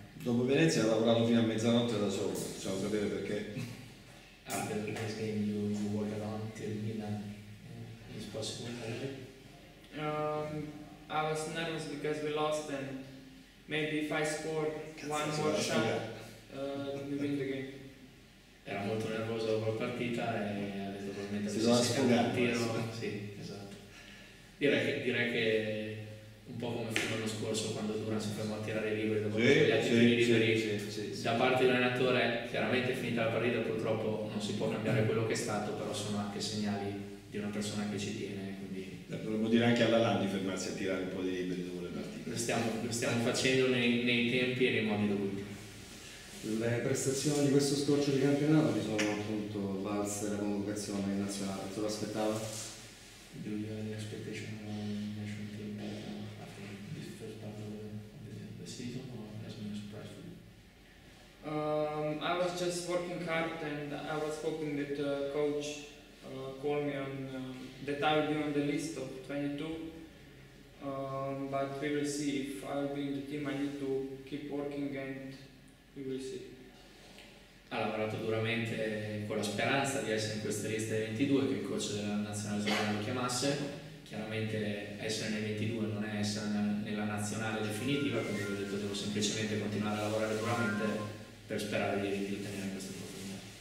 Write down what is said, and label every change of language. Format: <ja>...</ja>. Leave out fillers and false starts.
<it>Dopo Venezia ha lavorato fino a mezzanotte da solo, possiamo sapere perché?</it> <en>After the first game you work alone till midnight, is possible? I was nervous because we lost, and Maybe if I score one more shot, we win the game.</en> <it>Era molto nervoso dopo la partita e ha detto probabilmente si doveva sfogare. Sì, esatto. Direi che un po' come fu l'anno scorso quando Durant si fermò a tirare i liberi dopo gli altri liberi. Sì. Da parte dell'allenatore, chiaramente finita la partita, purtroppo non si può cambiare quello che è stato, però sono anche segnali di una persona che ci tiene. Volevo dire anche alla LAN di fermarsi a tirare un po' di liberi dopo le partite. Lo stiamo facendo nei tempi e nei modi dovuti. Le prestazioni di questo scorcio di campionato mi sono appunto valse la convocazione in nazionale, te lo aspettava?</it> <en>Do you have any expectation on national team after this first part of the season or has been a surprise for you? I was just working hard and I was hoping that the coach called me on that I will be on the list of 22. But we will see if I will be in the team. I need to keep working and</en> <it>ha lavorato duramente con la speranza di essere in questa lista dei 22 che il coach della nazionale lo chiamasse. Chiaramente essere nei 22 non è essere nella nazionale definitiva, come ho detto, devo semplicemente continuare a lavorare duramente per sperare di ottenere questa opportunità.</it>